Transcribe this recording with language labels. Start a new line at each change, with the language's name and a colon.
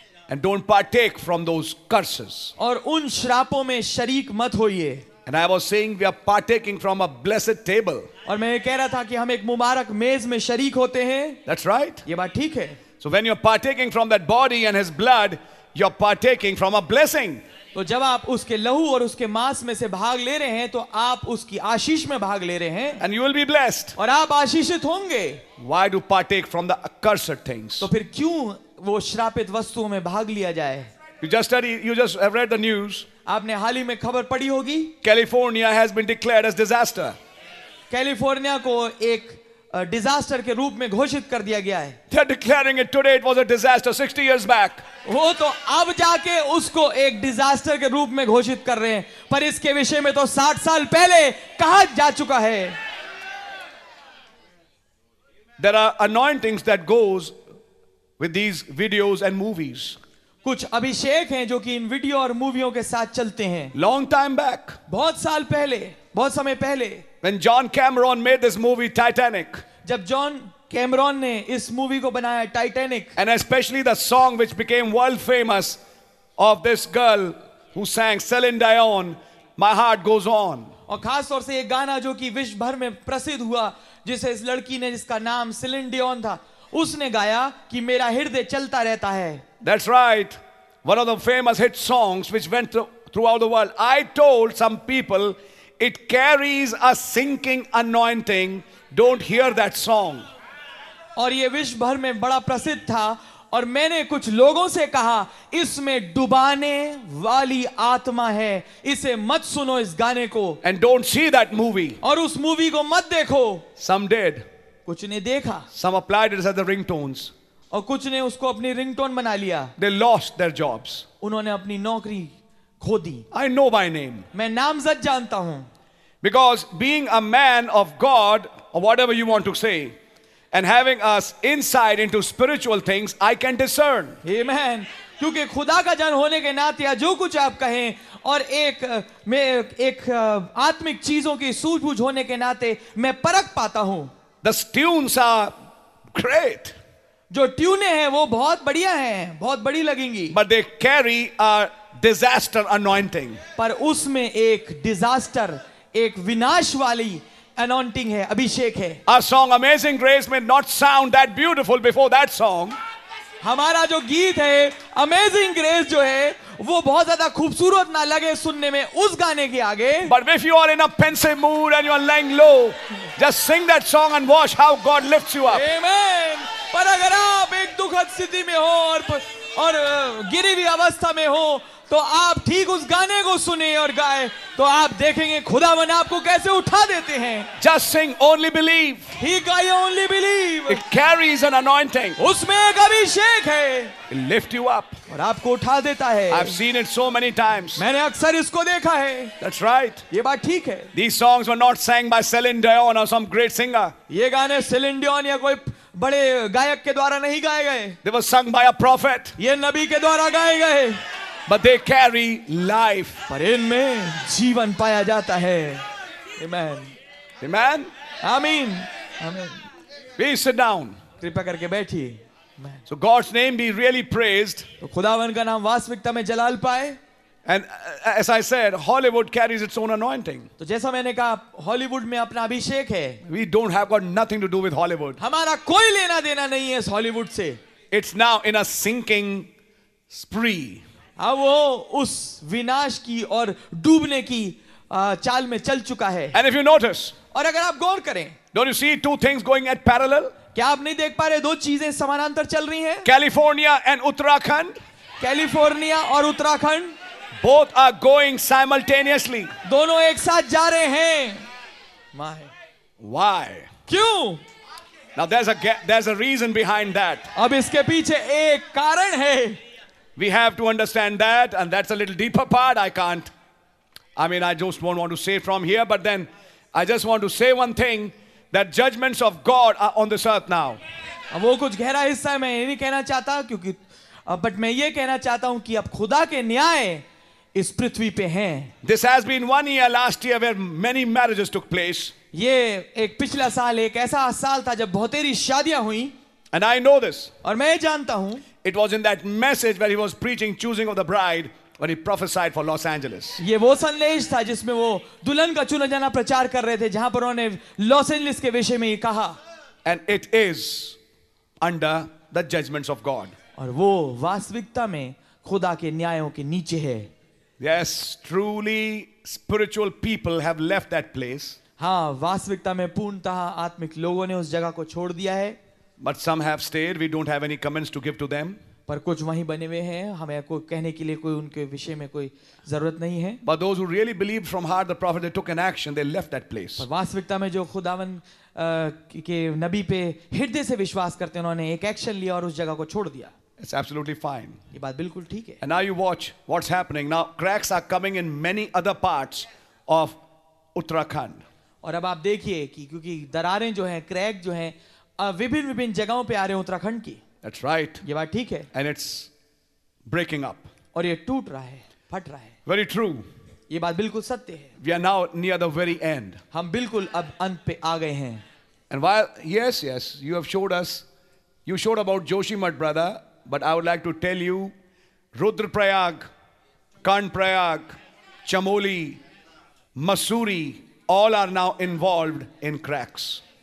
English: And don't partake from those curses.
Hindi: और उन श्रापों में शरीक मत होइए.
English: And I was saying we are partaking from a blessed table.
Hindi: और मैं कह रहा था कि हम एक मुबारक मेज में शरीक होते हैं.
English: That's right.
Hindi: ये बात ठीक है.
English: So when you're partaking from that body and his blood, you're partaking from a blessing.
Hindi: तो जब आप उसके लहू और उसके मांस में से भाग ले रहे हैं तो आप उसकी आशीष में भाग ले रहे हैं.
English: And you will be blessed.
Hindi: और आप आशीषित होंगे.
English: Why do partake from the accursed things?
Hindi: तो फिर क्यों वो श्रापित वस्तुओं में भाग लिया जाए?
English: You just have read the news.
Hindi: आपने हाल ही में खबर पढ़ी होगी.
English: California has been declared as disaster.
Hindi: California को एक disaster के रूप में घोषित कर दिया गया है.
English: They are declaring it today. It was a disaster 60 years back.
Hindi: वो तो अब जाके उसको एक disaster के रूप में घोषित कर रहे हैं, पर इसके विषय में तो 60 साल पहले कहा जा चुका है.
English: There are anointings that goes with these videos and movies.
Hindi: कुछ अभिषेक हैं जो कि इन वीडियो और मूवियों के साथ चलते हैं.
English: long time back,
Hindi: बहुत साल पहले, बहुत समय पहले,
English: when John Cameron made this movie Titanic,
Hindi: जब जॉन कैमरॉन ने इस मूवी को बनाया Titanic,
English: And especially the song which became world famous of this girl who sang Celine Dion my heart goes on.
Hindi: और खास तौर से ये गाना जो कि विश्व भर में प्रसिद्ध हुआ, जिसे इस लड़की ने जिसका नाम सेलिन डायन था, उसने गाया कि मेरा हृदय चलता रहता है.
English: That's right. One of the famous hit songs which went throughout the world. I told some people it carries a sinking anointing. Don't hear that song.
Hindi: और ये विश्व भर में बड़ा प्रसिद्ध था और मैंने कुछ लोगों से कहा इसमें डुबाने वाली आत्मा है, इसे मत सुनो इस गाने को.
English: And don't see that movie.
Hindi: और उस मूवी को मत देखो.
English: Some did.
Hindi: कुछ ने देखा.
English: Some applied it as the ringtones.
Hindi: और कुछ ने उसको अपनी रिंगटोन बना लिया.
English: They lost their jobs.
Hindi: उन्होंने अपनी नौकरी खो दी.
English: I know my name.
Hindi: मैं नामजद जानता हूं.
English: Because being a man of God, or whatever you want to say, and having us inside into spiritual things, I can discern. Amen.
Hindi: क्योंकि खुदा का जन होने के नाते या जो कुछ आप कहें और एक मैं एक आत्मिक चीजों की सूझबूझ होने के नाते मैं परख पाता हूं.
English: The tunes are great.
Hindi: जो ट्यूने हैं वो बहुत बढ़िया हैं, बहुत बड़ी लगेंगी.
English: But they carry a disaster anointing.
Hindi: पर उसमें एक डिजास्टर, एक विनाश वाली अनॉइंटिंग है, अभिषेक है.
English: A song Amazing Grace may not sound that beautiful before that song. God bless you,
Hindi: हमारा जो गीत है अमेजिंग ग्रेस जो है वो बहुत ज्यादा खूबसूरत ना लगे सुनने में उस गाने के आगे.
English: But if you are in a pensive mood and you are lying low, just sing that song and watch how God lifts you up. Amen.
Hindi: पर अगर आप एक दुखद स्थिति में हो और गिरी हुई अवस्था में हो तो आप ठीक उस गाने को सुने और गाए तो आप देखेंगे खुदावन आपको कैसे उठा देते हैं.
English: Just sing only believe. He gave only believe. It carries an anointing.
Hindi: उसमें एक अभिषेक है.
English: It lift you up.
Hindi: और आपको उठा देता है.
English: I've seen it so many times.
Hindi: मैंने अक्सर इसको देखा है.
English: That's right.
Hindi: ये बात ठीक है.
English: These songs were not sang by Celine Dion or some great singer.
Hindi: ये गाने Celine Dion या कोई बड़े गायक के द्वारा नहीं गाए गए.
English: They were sung by a prophet.
Hindi: ये नबी के द्वारा गाए गए.
English: But they carry life.
Hindi: पर इनमें जीवन पाया जाता है.
English: Amen. Amen. Amen. Amen. Please sit down.
Hindi: कृपया करके बैठिए.
English: So God's name be really praised.
Hindi: तो खुदावन का नाम वास्तविकता में जलाल पाए.
English: And as I said, Hollywood carries its own anointing.
Hindi: तो जैसा मैंने कहा, Hollywood में अपना अभिषेक है.
English: We don't have got nothing to do with Hollywood.
Hindi: हमारा कोई लेना देना नहीं है इस Hollywood से.
English: It's now in a sinking spree.
Hindi: वो उस विनाश की और डूबने की चाल में चल चुका है.
English: And if you notice,
Hindi: और अगर आप गौर करें,
English: don't you see two things going at parallel?
Hindi: क्या आप नहीं देख पा रहे दो चीजें समानांतर चल रही हैं?
English: California and Uttarakhand.
Hindi: California और Uttarakhand.
English: Both are going simultaneously.
Hindi: दोनों एक साथ जा रहे हैं. My.
English: Why?
Hindi: क्यों?
English: Now there's a reason behind that.
Hindi: अब इसके पीछे एक कारण है.
English: We have to understand that, and that's a little deeper part. I just won't want to say from here, but then I just want to say one thing, that judgments of God are on this earth now.
Hindi: वो कुछ गहरा हिस्सा मैं ये नहीं कहना चाहता क्योंकि but मैं ये कहना चाहता हूँ कि अब खुदा के न्याय इस पृथ्वी पे हैं.
English: This has been one year, last year, where many marriages took place.
Hindi: ये एक पिछला साल एक ऐसा साल था जब बहुतेरी शादियाँ हुईं.
English: And I know this.
Hindi: और मैं जानता हूँ.
English: It was in that message where he was preaching choosing of the bride when he prophesied for Los Angeles.
Hindi: ये वो संदेश था जिसमें वो दुल्हन का चुना जाना प्रचार कर रहे थे जहां पर उन्होंने लॉस एंजलिस के विषय में ये कहा.
English: And it is under the judgments of God.
Hindi: और वो वास्तविकता में खुदा के न्यायों के नीचे है.
English: Yes, truly spiritual people have left that place.
Hindi: हाँ, वास्तविकता में पूर्णतः आत्मिक लोगों ने उस जगह को छोड़ दिया है.
English: But some have stayed. We don't have any comments to give to them.
Hindi: पर कुछ वहीं बने हुए हैं. हमें कोई कहने के लिए कोई उनके विषय में कोई जरूरत नहीं है.
English: But those who really believe from heart the prophet, they took an action. They left that place.
Hindi: पर वास्तविकता में जो खुदावन के नबी पे हृदय से विश्वास करते हैं, उन्होंने एक एक्शन लिया और उस जगह को छोड़ दिया.
English: It's absolutely fine.
Hindi: ये बात बिल्कुल ठीक है.
English: And now you watch what's happening. Now cracks are coming in many other parts of Uttarakhand.
Hindi: और अब आप देखिए कि क्योंकि दरारें जो हैं, क्रैक जो हैं. विभिन्न विभिन्न जगहों पे आ रहे हैं उत्तराखंड की.
English: That's right.
Hindi: ये बात ठीक है.
English: And it's breaking up.
Hindi: और ये टूट रहा है, फट रहा है.
English: Very true.
Hindi: ये बात बिल्कुल सत्य है.
English: We are now near the very end.
Hindi: हम बिल्कुल अब अंत पे आ गए हैं.
English: And while yes, you have showed us, you showed about Joshimath brother, but I would like to tell you, Rudraprayag, Karnprayag, Chamoli, Masuri, all are now involved in cracks.